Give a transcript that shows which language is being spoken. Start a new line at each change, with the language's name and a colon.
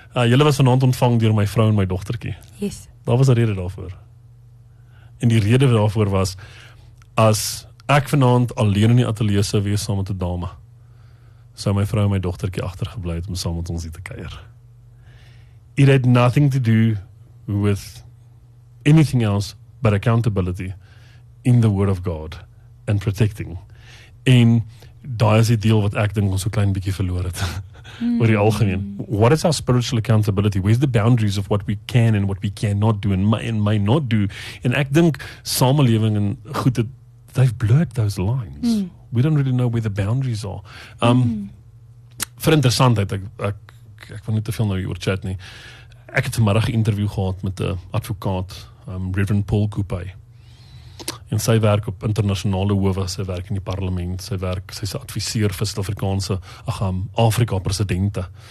Afrikaans: Julle was vanaand ontvang deur my vrou en my dogtertjie.
English: Yes.
Afrikaans: Daar was 'n rede daarvoor. En die rede daarvoor was, as ek vanaand alleen in die atelier sou wees saam met 'n dame, sou my vrou en my dogtertjie agtergebly het om saam met ons hier te kuier.
English: It had nothing to do with anything else but accountability in the word of God and protecting.
Afrikaans: En daai is die deel wat ek dink ons so klein bietjie verloor het.
English: Mm.
Afrikaans: Oor die algemeen.
English: What is our spiritual accountability? Where's the boundaries of what we can and what we cannot do and may not do?
Afrikaans: En ek dink samelewing en goed het,
English: they've blurred those lines.
Afrikaans: Mm.
English: We don't really know where the boundaries are.
Afrikaans: Vir interessantheid, ek wil nie te veel nou oor chat nie. Ek het vanmiddag 'n interview gehad met 'n advokaat, Reverend Paul Kupay. En sy werk op internasionale howe, sy werk in die parlement, sy's 'n adviseur vir Suid-Afrikaanse, Afrika presidente.